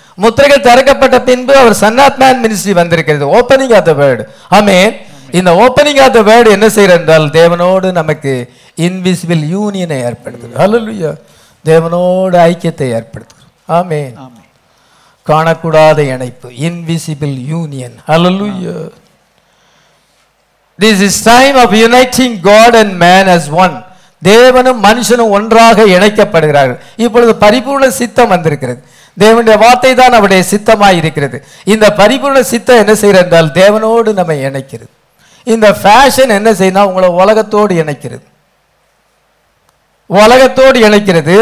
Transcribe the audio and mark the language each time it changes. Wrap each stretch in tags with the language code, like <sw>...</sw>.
<ta>முத்திரைகள் திறக்கப்பட்ட பின்பு அவர் சன்னத்மேன் மினிஸ்ட்ரி வந்திருக்கிறது.</ta> <en>Opening of the word.</en> <ta>ஆமென். இந்த</ta> <en>opening of the word</en> <ta>என்ன செய்யறது என்றால் தேவனோடு நமக்கு இன்விசிபிள் யூனியனை ஏற்படுத்துது. ஹல்லேலூயா. தேவனோடு ஐக்கியத்தை ஏற்படுத்துது. ஆமென். காணக்கூடாத இணைப்பு, invisible union. Hallelujah.</ta> <en>This is time of uniting God and man as one.</en> <ta>தேவனும் மனுஷனும் ஒன்றாக இணைக்கப்படுகிறார்கள். இப்பொழுது பரிபூர்ண சித்தம் வந்திருக்கிறது. தேவனுடைய வார்த்தை தான் அவருடைய சித்தமாய் இருக்கிறது. இந்த பரிபூர்ண சித்தம் என்ன செய்யறது என்றால் தேவனோடு நம்மை இணைக்கிறது. இந்த ஃபேஷன் என்ன செய்யணும்? உங்களை உலகத்தோடு இணைக்கிறது, உலகத்தோடு இணைக்கிறது.</ta>